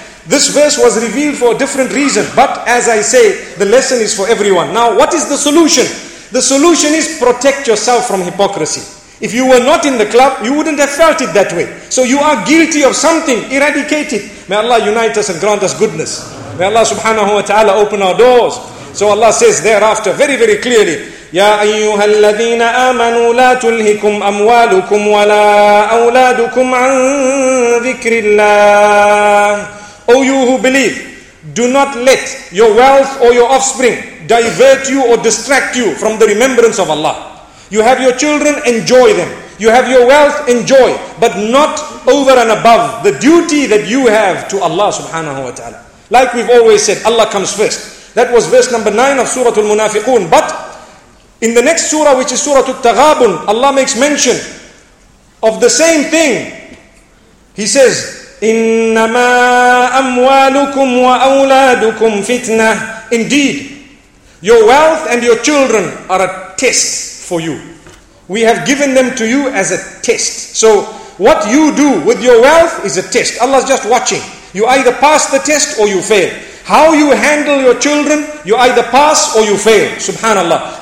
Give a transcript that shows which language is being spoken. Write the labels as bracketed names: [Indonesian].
[English] This verse was revealed for a different reason. But as I say, the lesson is for everyone. Now, what is the solution? The solution is protect yourself from hypocrisy. If you were not in the club, you wouldn't have felt it that way. So you are guilty of something. Eradicate it. May Allah unite us and grant us goodness. May Allah subhanahu wa ta'ala open our doors. So Allah says thereafter, very, very clearly, [Arabic] يَا أَيُّهَا الَّذِينَ آمَنُوا لَا تُلْهِكُمْ أَمْوَالُكُمْ وَلَا أَوْلَادُكُمْ عَنْ ذِكْرِ اللَّهِ. [English] O you who believe, do not let your wealth or your offspring divert you or distract you from the remembrance of Allah. You have your children, enjoy them. You have your wealth, enjoy. But not over and above the duty that you have to Allah subhanahu wa ta'ala. Like we've always said, Allah comes first. That was verse number 9 of Surah Al-Munafiqun. But in the next surah, which is Surah Al-Taghabun, Allah makes mention of the same thing. He says, [Arabic] إنما أموالكم وأولادكم فتنة. [English] Indeed, your wealth and your children are a test for you. We have given them to you as a test. So what you do with your wealth is a test. Allah is just watching. You either pass the test or you fail. How you handle your children, you either pass or you fail. Subhanallah.